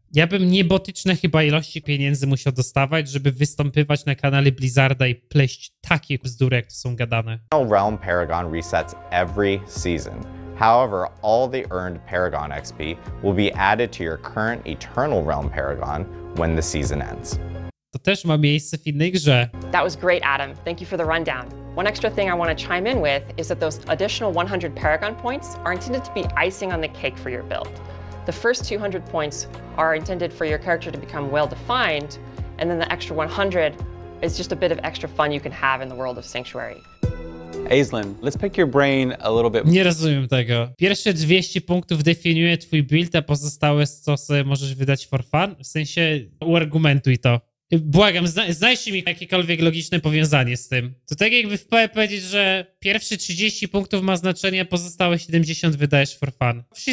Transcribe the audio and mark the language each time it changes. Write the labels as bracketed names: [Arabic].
[Polish] Ja bym niebotyczne chyba ilości pieniędzy musiał dostawać, żeby występować na kanale Blizzarda i pleść takie bzdury, jak to są gadane. [English] The Realm Paragon resets every season. However, all the earned Paragon XP will be added to your current Eternal Realm Paragon when the season ends. [Polish] To też ma miejsce w innej grze. [English] That was great, Adam. Thank you for the rundown. One extra thing I want to chime in with is that those additional 100 Paragon points are intended to be icing on the cake for your build. The first 200 points are intended for your character to become well-defined, and then the extra 100 is just a bit of extra fun you can have in the world of Sanctuary. Aislinn, let's pick your brain a little bit. [Polish] Nie rozumiem tego. Pierwsze 200 punktów definiuje twój build, a pozostałe co sobie możesz wydać [English] for fun? [Polish] W sensie, uargumentuj to. Błagam, znajdźcie mi jakiekolwiek logiczne powiązanie z tym. To tak jakby w PE powiedzieć, że pierwsze 30 punktów ma znaczenie, a pozostałe 70 wydajesz [English] for fun.